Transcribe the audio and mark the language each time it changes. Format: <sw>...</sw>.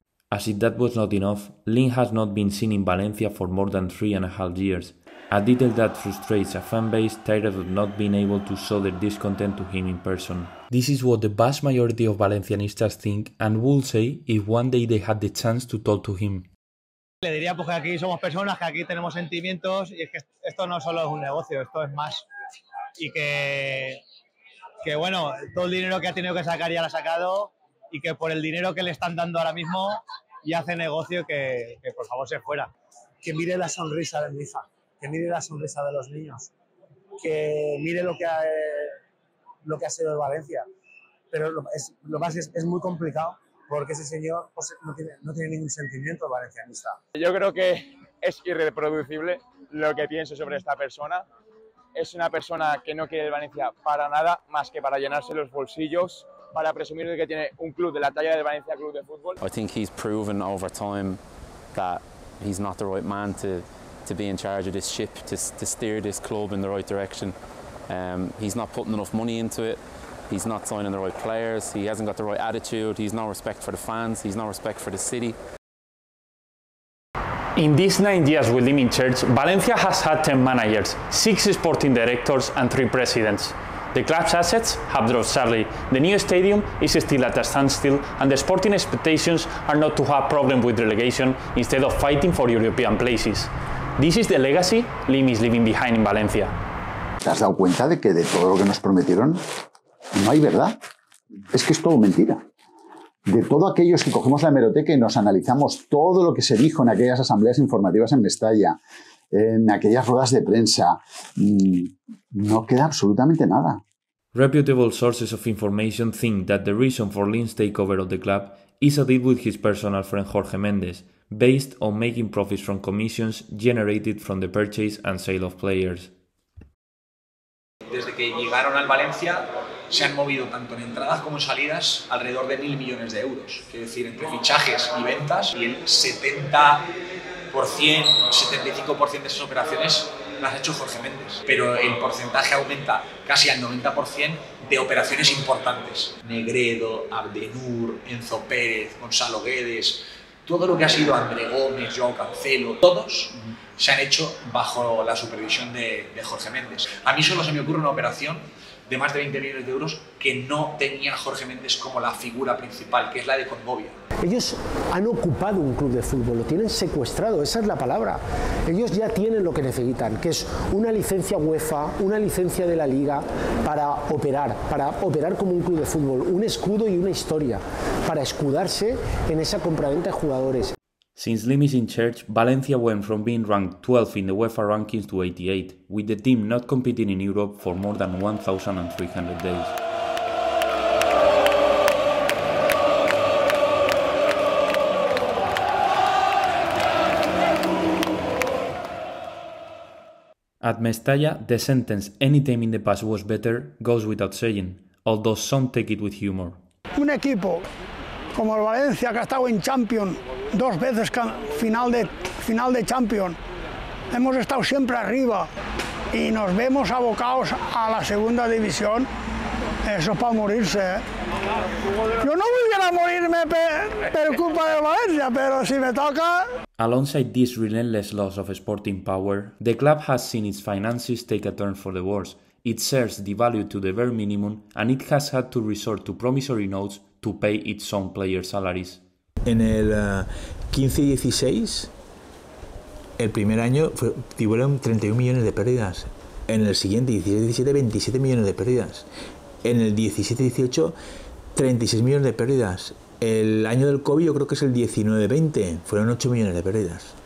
<en>As if that was not enough, Lin has not been seen in Valencia for more than 3.5 years. A detail that frustrates a fanbase tired of not being able to show their discontent to him in person. This is what the vast majority of Valencianistas think and will say if one day they had the chance to talk to him.</en> <es>Le diría pues que aquí somos personas, que aquí tenemos sentimientos y es que esto no solo es un negocio, esto es más. Y que bueno, todo el dinero que ha tenido que sacar ya lo ha sacado y que por el dinero que le están dando ahora mismo y hace negocio que por favor se fuera. Que mire la sonrisa de Misa. Que mire la sonrisa de los niños, que mire lo que ha sido el Valencia. Pero lo más es muy complicado porque ese señor no tiene ningún sentimiento valencianista. Yo creo que es irreproducible lo que pienso sobre esta persona. Es una persona que no quiere el Valencia para nada más que para llenarse los bolsillos, para presumir de que tiene un club de la talla del Valencia Club de Fútbol.</es> <en>I think he's proven over time that he's not the right man to be in charge of this ship, to steer this club in the right direction. He's not putting enough money into it. He's not signing the right players. He hasn't got the right attitude. He's no respect for the fans. He's no respect for the city. In these 9 years with Lim in charge, Valencia has had 10 managers, 6 sporting directors and 3 presidents. The club's assets have dropped sadly. The new stadium is still at a standstill and the sporting expectations are not to have problem with relegation instead of fighting for European places. This is the legacy Lim is leaving behind in Valencia.</en> <es>¿Te has dado cuenta de que de todo lo que nos prometieron no hay verdad? Es que es todo mentira. De todo aquellos que cogemos la hemeroteca y nos analizamos todo lo que se dijo en aquellas asambleas informativas en Mestalla, en aquellas ruedas de prensa. No queda absolutamente nada.</es> <en>Reputable sources of information think that the reason for Lin's takeover of the club is a deal with his personal friend Jorge Mendes, based on making profits from commissions generated from the purchase and sale of players.</en> <es>Desde que llegaron al Valencia, se han movido tanto en entradas como en salidas alrededor de 1,000 millones de euros. Es decir, entre fichajes y ventas, y el 75% de esas operaciones las ha hecho Jorge Mendes. Pero el porcentaje aumenta casi al 90% de operaciones importantes. Negredo, Abdenur, Enzo Pérez, Gonzalo Guedes, todo lo que ha sido André Gómez, João Cancelo, todos se han hecho bajo la supervisión de Jorge Mendes. A mí solo se me ocurre una operación de más de 20 millones de euros que no tenía Jorge Mendes como la figura principal, que es la de Condovia. Ellos han ocupado un club de fútbol, lo tienen secuestrado, esa es la palabra. Ellos ya tienen lo que necesitan, que es una licencia UEFA, una licencia de la Liga para operar como un club de fútbol, un escudo y una historia, para escudarse en esa compraventa de jugadores.</es> <en>Since Lim is in charge, Valencia went from being ranked 12th in the UEFA rankings to 88, with the team not competing in Europe for more than 1,300 days. At Mestalla, the sentence "any team in the past was better" goes without saying, although some take it with humor.</en> <es>Un equipo como el Valencia, que ha estado en Champions dos veces, final de Champions, hemos estado siempre arriba y nos vemos abocados a la segunda división, eso es para morirse, ¿eh? Yo no volviera a morirme por culpa del Valencia, pero si me toca...</es> <en>Alongside this relentless loss of sporting power, the club has seen its finances take a turn for the worse, its shares devalued to the bare minimum, and it has had to resort to promissory notes to pay its own player salaries.</en> <es>En el 15-16, el primer año, tuvieron 31 millones de pérdidas. En el siguiente, 16-17, 27 millones de pérdidas. En el 17-18, 36 millones de pérdidas. El año del COVID, yo creo que es el 19-20, fueron 8 millones de pérdidas.</es>